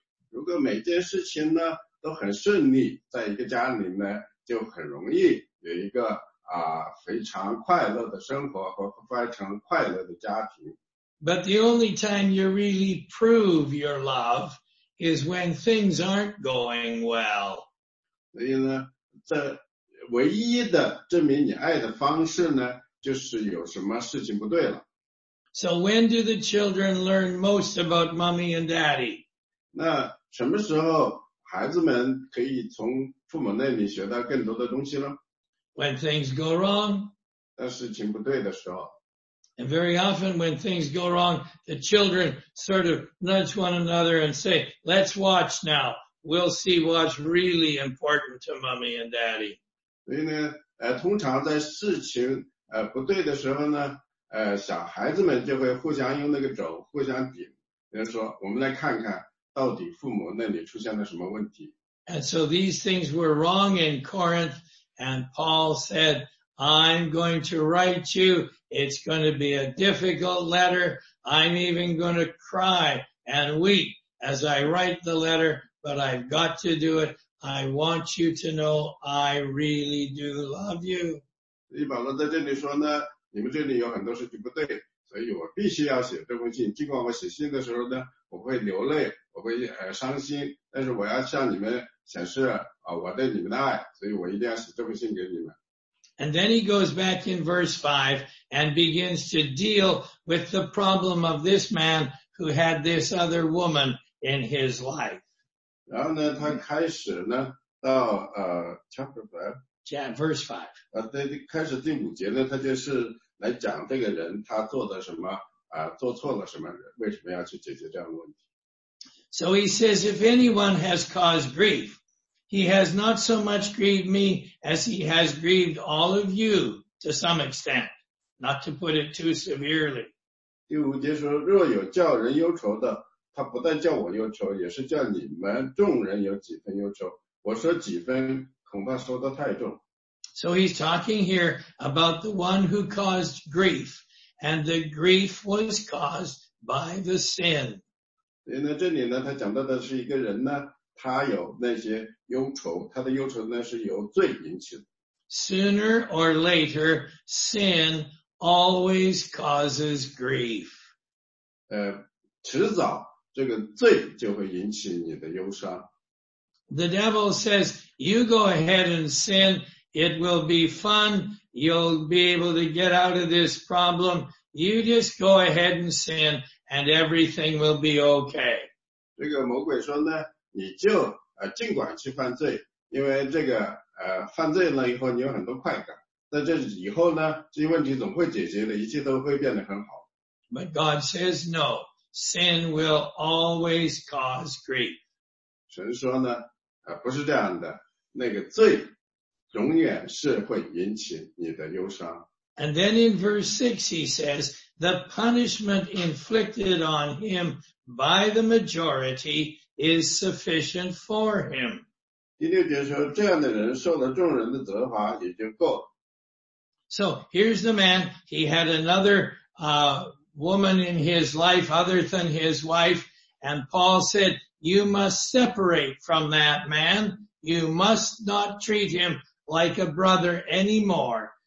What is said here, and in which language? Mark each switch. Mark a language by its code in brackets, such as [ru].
[zh] 如果每件事情呢都很顺利，在一个家里呢就很容易有一个非常快乐的生活和非常快乐的家庭。 [en] But the only time you really prove your love is when things aren't going well. [zh] 所以呢，这唯一的证明你爱的方式呢，就是有什么事情不对了。 [en] So when do the children learn most about mommy and daddy? [zh] 那什么时候孩子们可以从父母那里学到更多的东西呢？ [en] When things go wrong. [zh] 当事情不对的时候。 [en] And very often when things go wrong, the children sort of nudge one another and say, let's watch now. We'll see what's really important to mommy and daddy. [zh] 所以呢，通常在事情不对的时候呢，小孩子们就会互相用那个肘互相顶，就是说我们来看看到底父母那里出现了什么问题。 [en] And so these things were wrong in Corinth, and Paul said, I'm going to write you. It's going to be a difficult letter. I'm even going to cry and weep as I write the letter, but I've got to do it. I want you to know I really do love you. [zh] 所以保罗在这里说呢，你们这里有很多事情不对，所以我必须要写这封信。尽管我写信的时候呢，我会流泪，我会伤心，但是我要向你们显示我对你们的爱，所以我一定要写这封信给你们。 [en] And then he goes back in verse 5 and begins to deal with the problem of this man who had this other woman in his life. [zh] 然后呢，他开始呢，到 [en] chapter 5. Verse 5. [zh] 开始第五节呢，他就是来讲这个人他做的什么，做错了什么，为什么要去解决这样的问题。 [en] So he says, if anyone has caused grief, he has not so much grieved me as he has grieved all of you to some extent, not to put it too severely. [zh] 第五节说，若有叫人忧愁的，他不但叫我忧愁，也是叫你们众人有几分忧愁。我说几分，恐怕说得太重。 [en] So he's talking here about the one who caused grief, and the grief was caused by the sin. [zh] 所以呢，这里呢，他讲到的是一个人呢，他有那些忧愁，他的忧愁呢是由罪引起的。 [en] Sooner or later, sin always causes grief. [zh] 迟早这个罪就会引起你的忧伤。 [en] The devil says, you go ahead and sin, it will be fun, you'll be able to get out of this problem, you just go ahead and sin, and everything will be okay. [zh] 这个魔鬼说呢，你就尽管去犯罪，因为这个犯罪了以后你有很多快感，那这以后呢，这些问题总会解决的，一切都会变得很好。 [en] But God says no, sin will always cause grief. [zh] 神说呢，不是这样的，那个罪永远是会引起你的忧伤。 [en] And then in verse 6 he says, the punishment inflicted on him by the majority is sufficient for him. [zh] 第六节说，这样的人受了众人的责罚也就够了。 [en] So here's the man, he had another woman in his life other than his wife, and Paul said, you must separate from that man, you must not treat him like a brother anymore.